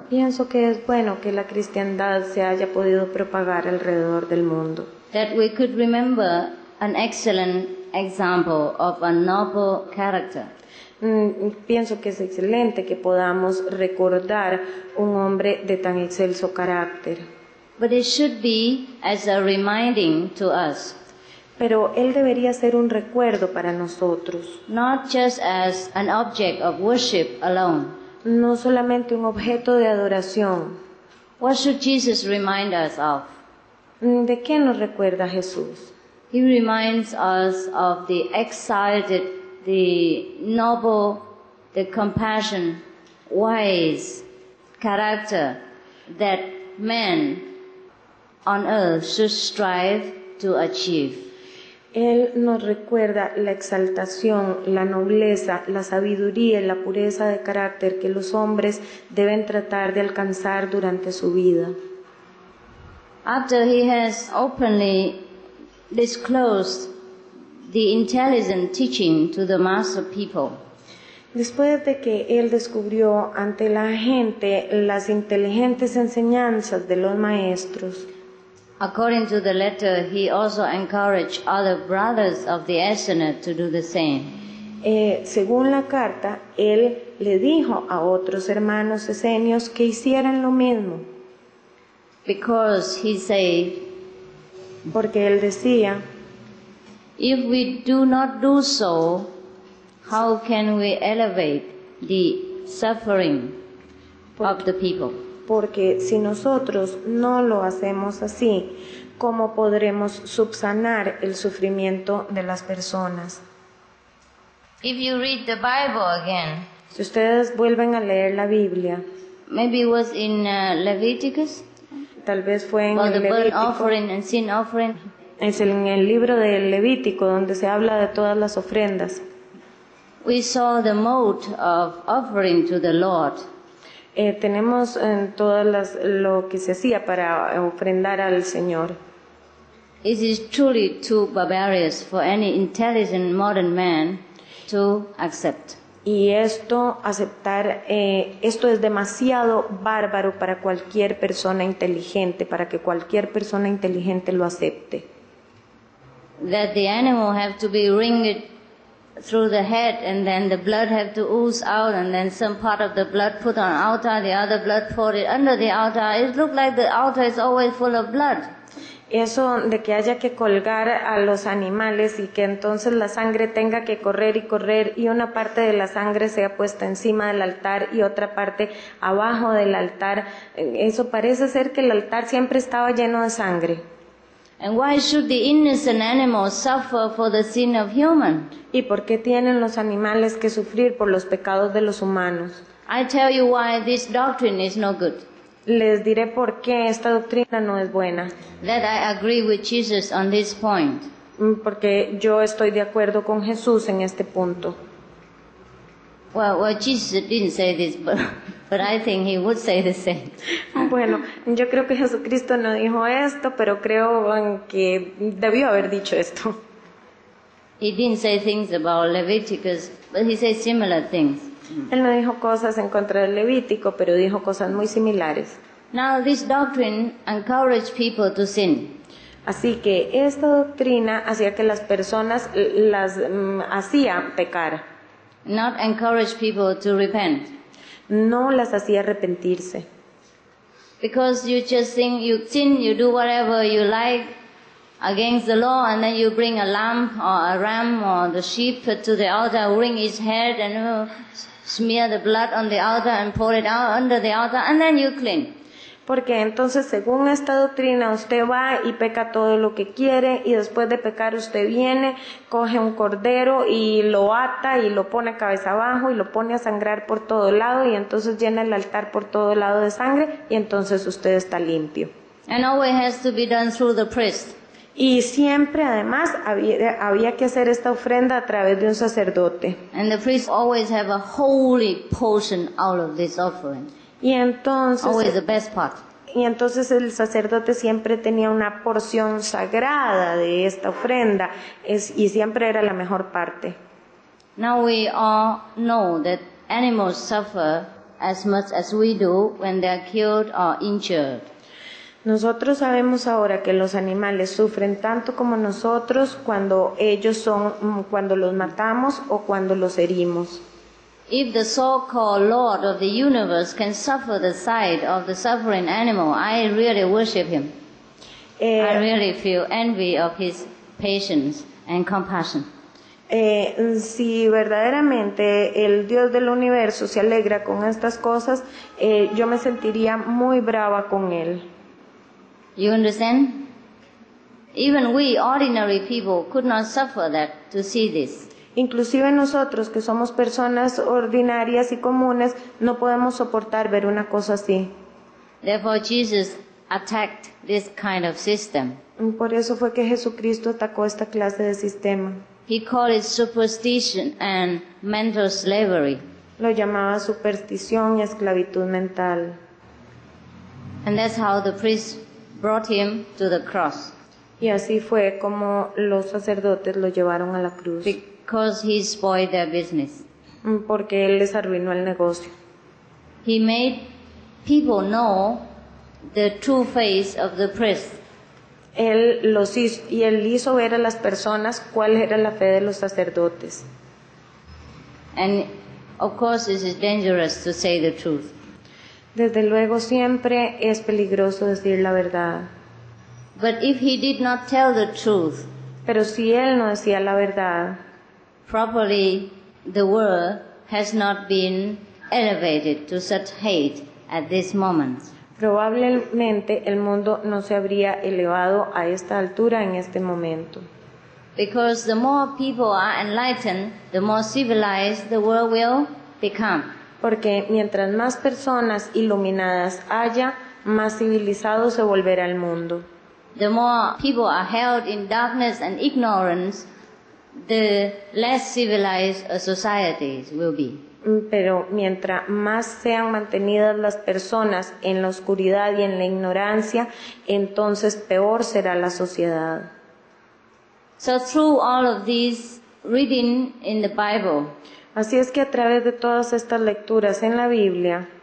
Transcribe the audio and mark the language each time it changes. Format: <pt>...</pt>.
<es>Pienso que es bueno que la cristiandad se haya podido propagar alrededor del mundo.</es> <en>That we could remember an excellent example of a noble character.</en> <es>Pienso que es excelente que podamos recordar un hombre de tan excelso carácter.</es> <en>But it should be as a reminding to us.</en> <es>Pero él debería ser un recuerdo para nosotros.</es> <en>Not just as an object of worship alone.</en> <es>No solamente un objeto de adoración.</es> <en>What should Jesus remind us of?</en> <es>¿De qué nos recuerda Jesús?</es> <en>He reminds us of the exalted, the noble, the compassionate, wise character that man on earth should strive to achieve.</en> <es>Él nos recuerda la exaltación, la nobleza, la sabiduría y la pureza de carácter que los hombres deben tratar de alcanzar durante su vida.</es> <en>After he has openly disclosed the intelligent teaching to the mass of people.</en> <es>Después de que él descubrió ante la gente las inteligentes enseñanzas de los maestros.</es> <en>According to the letter, he also encouraged other brothers of the Ascena to do the same.</en> <es>Según la carta, él le dijo a otros hermanos esenios que hicieran lo mismo.</es> <en>Because he said,</en> <es>porque él decía,</es> <en>if we do not do so, how can we elevate the suffering of the people?</en> <es>Porque si nosotros no lo hacemos así, ¿cómo podremos subsanar el sufrimiento de las personas?</es> <en>If you read the Bible again,</en> <es>si ustedes vuelven a leer la Biblia,</es> <en>maybe it was in Leviticus.</en> <es>Tal vez fue en el Levítico.</es> <en>Burnt offering and sin offering.</en> <es>Es en el libro del Levítico donde se habla de todas las ofrendas.</es> <en>We saw the mode of offering to the Lord.</en> <es>Tenemos en todas las lo que se hacía para ofrendar al Señor.</es> <en>It is truly too barbarous for any intelligent modern man to accept.</en> <es>Y esto, aceptar, esto es demasiado bárbaro para cualquier persona inteligente, para que cualquier persona inteligente lo acepte.</es> <en>That the animal have to be wringed through the head and then the blood have to ooze out and then some part of the blood put on altar, the other blood poured it under the altar. It looks like the altar is always full of blood.</en> <es>Eso de que haya que colgar a los animales y que entonces la sangre tenga que correr y correr y una parte de la sangre sea puesta encima del altar y otra parte abajo del altar, eso parece ser que el altar siempre estaba lleno de sangre.</es> <en>And why should the innocent animals suffer for the sin of human?</en> <es>¿Y por qué tienen los animales que sufrir por los pecados de los humanos?</es> <en>I tell you why this doctrine is no good.</en> <es>Les diré por qué esta doctrina no es buena.</es> <en>That I agree with Jesus on this point.</en> <es>Porque yo estoy de acuerdo con Jesús en este punto.</es> <en>Well, Jesus didn't say this, but I think he would say the same.</en> <es>Bueno, yo creo que Jesucristo no dijo esto, pero creo que debió haber dicho esto.</es> <en>He didn't say things about Leviticus, but he said similar things.</en> <es>Él no dijo cosas en contra del Levítico, pero dijo cosas muy similares.</es> <en>Now, this doctrine encouraged people to sin.</en> <es>Así que esta doctrina hacía que las personas las hacía pecar.</es> <en>Not encourage people to repent.</en> <es>No las hacía arrepentirse.</es> <en>Because you just think you sin, you do whatever you like against the law, and then you bring a lamb or a ram or the sheep to the altar, wring its head, and smear the blood on the altar and pour it out under the altar, and then you clean.</en> <es>Porque entonces, según esta doctrina, usted va y peca todo lo que quiere, y después de pecar usted viene, coge un cordero y lo ata y lo pone cabeza abajo y lo pone a sangrar por todo lado, y entonces llena el altar por todo lado de sangre, y entonces usted está limpio.</es> <en>And always has to be done through the priest.</en> <es>Y siempre, además, había que hacer esta ofrenda a través de un sacerdote.</es> <en>And the priest always have a holy portion out of this offering.</en> <es>Y entonces,</es> <en>always the best part.</en> <es>Y entonces el sacerdote siempre tenía una porción sagrada de esta ofrenda, y siempre era la mejor parte.</es> <en>Now we all know that animals suffer as much as we do when they are killed or injured.</en> <es>Nosotros sabemos ahora que los animales sufren tanto como nosotros cuando ellos son cuando los matamos o cuando los herimos.</es> <en>If the so-called Lord of the universe can suffer the sight of the suffering animal, I really worship him. I really feel envy of his patience and compassion.</en> <es>Si verdaderamente el Dios del universo se alegra con estas cosas, yo me sentiría muy brava con él.</es> <en>You understand? Even we ordinary people could not suffer that to see this.</en> <es>Inclusive nosotros, que somos personas ordinarias y comunes, no podemos soportar ver una cosa así.</es> <en>Therefore, Jesus attacked this kind of system.</en> <es>Por eso fue que Jesucristo atacó esta clase de sistema.</es> <en>He called it superstition and mental slavery.</en> <es>Lo llamaba superstición y esclavitud mental.</es> <en>And that's how the priest brought him to the cross.</en> <es>Y así fue como los sacerdotes lo llevaron a la cruz.</es> <en>Because he spoiled their business.</en> <es>Porque él les arruinó el negocio.</es> <en>He made people know the true face of the priest.</en> <es>Él los hizo, y él hizo ver a las personas cuál era la fe de los sacerdotes.</es> <en>And of course it is dangerous to say the truth.</en> <es>Desde luego siempre es peligroso decir la verdad.</es> <en>But if he did not tell the truth,</en> <es>pero si él no decía la verdad,</es> <en>properly, the world has not been elevated to such hate at this moment.</en> <es>Probablemente el mundo no se habría elevado a esta altura en este momento.</es> <en>Because the more people are enlightened, the more civilized the world will become.</en> <es>Porque mientras más personas iluminadas haya, más civilizado se volverá el mundo.</es> <en>The more people are held in darkness and ignorance, the less civilized a society will be.</en> <es>Pero mientras más sean mantenidas las personas en la oscuridad y en la ignorancia, entonces peor será la sociedad.</es> <en>So through all of these reading in the Bible,</en> <es>así es que a través de todas estas lecturas en la Biblia,</es>